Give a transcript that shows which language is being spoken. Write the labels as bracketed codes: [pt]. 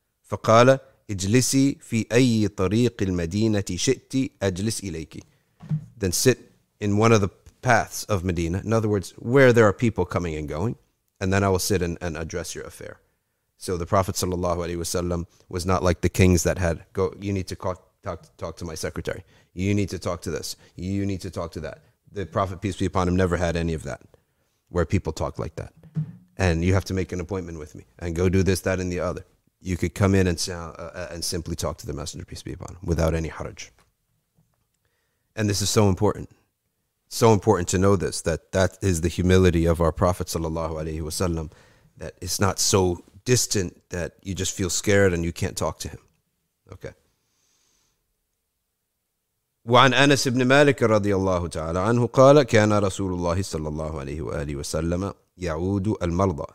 [ar] فَقَالَ اجلسي في أي طريق المدينة شئت أجلس إليك. [en] Then sit in one of the paths of Medina. In other words, where there are people coming and going. And then I will sit and address your affair. So the Prophet ﷺ was not like the kings that had, go, you need to talk to my secretary. You need to talk to this. You need to talk to that. The Prophet, peace be upon him, never had any of that, where people talk like that. And you have to make an appointment with me and go do this, that, and the other. You could come in and simply talk to the Messenger, peace be upon him, without any haraj. And this is so important. So important to know this, that is the humility of our Prophet sallallahu alaihi wasallam, that it's not so distant that you just feel scared and you can't talk to him. Okay. [ar] وعن أنس بن مالك رضي الله تعالى عنه قال كان رسول الله صلى الله عليه وآله وسلم يعود المرضى.